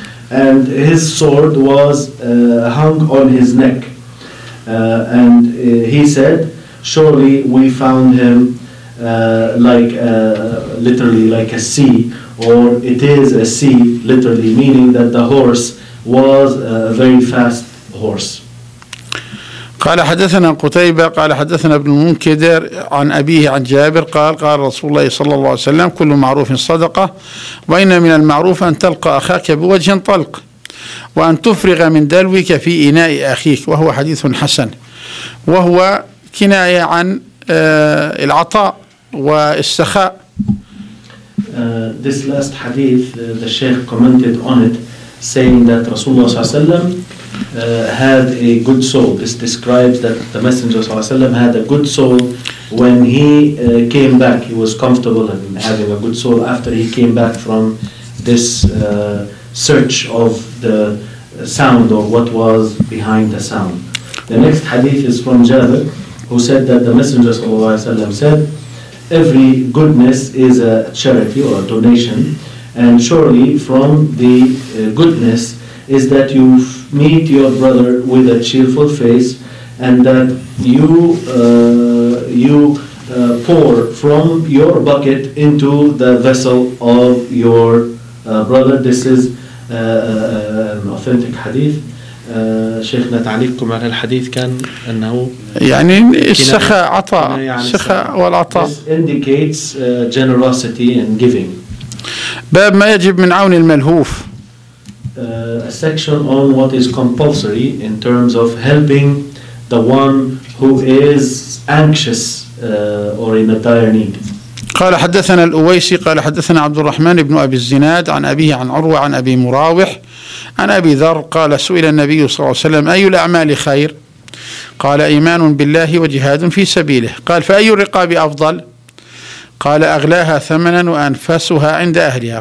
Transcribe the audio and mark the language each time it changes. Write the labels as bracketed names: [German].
[English] and his sword was hung on his neck, and he said, surely we found him literally like a sea, or it is a sea, literally meaning that the horse was a very fast horse. [Arabic] قال حدثنا قتيبة قال حدثنا ابن المنكدر عن أبيه عن جابر قال قال رسول الله صلى الله عليه وسلم كل معروف صدقة, وإن من المعروف أن تلقى أخاك بوجه طلق. وأن تفرغ من دلوك في إناء أخيك، وهو حديث حسن، وهو كناية عن العطاء والسخاء. [English] This last hadith, the Sheikh commented on it, saying that Rasulullah [Arabic] صلى الله عليه وسلم [English] had a good soul. This describes that the Messenger [Arabic] صلى الله عليه وسلم [English] had a good soul when he came back. He was comfortable and having a good soul after he came back from this search of the sound or what was behind the sound. The next hadith is from Jabir, who said that the Messenger [Arabic] صلى الله عليه وسلم [English] said, every goodness is a charity or a donation, and surely from the goodness is that you meet your brother with a cheerful face, and that you pour from your bucket into the vessel of your brother. This is an authentic hadith. [Arabic] شيخنا تعليقكم على الحديث كان أنه يعني السخاء عطاء، السخاء والعطاء. [English] This indicates generosity and giving. [Arabic] باب ما يجب من عون الملهوف. [English] A section on what is compulsory in terms of helping the one who is anxious or in a dire need. [Arabic] قال حدثنا الأويسي قال حدثنا عبد الرحمن بن أبي الزناد عن أبيه عن عروة عن أبي مراوح عن أبي ذر قال سئل النبي صلى الله عليه وسلم أي الأعمال خير؟ قال إيمان بالله وجهاد في سبيله. قال فأي الرقاب أفضل؟ قال أغلاها ثمنا وأنفسها عند أهلها.